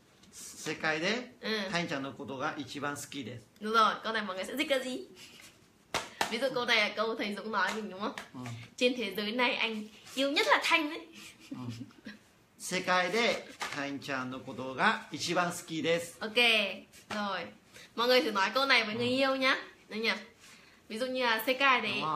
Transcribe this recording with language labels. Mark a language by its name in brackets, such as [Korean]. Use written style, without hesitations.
[Japanese] 世界で、タインちゃんのことが一番好きです。 [Vietnamese] Đúng rồi, câu này mọi người sẽ thích cái gì? Ví dụ câu này là câu thầy Dũng nói mình đúng không? Trên thế giới này anh yêu nhất là Thanh đấy. [Japanese] 世界でタインちゃんのことが一番好きです。 [Vietnamese] OK, rồi. Mọi người thử nói câu này với người yêu nhá. Được nhỉ? Ví dụ như là [Japanese] 世界で,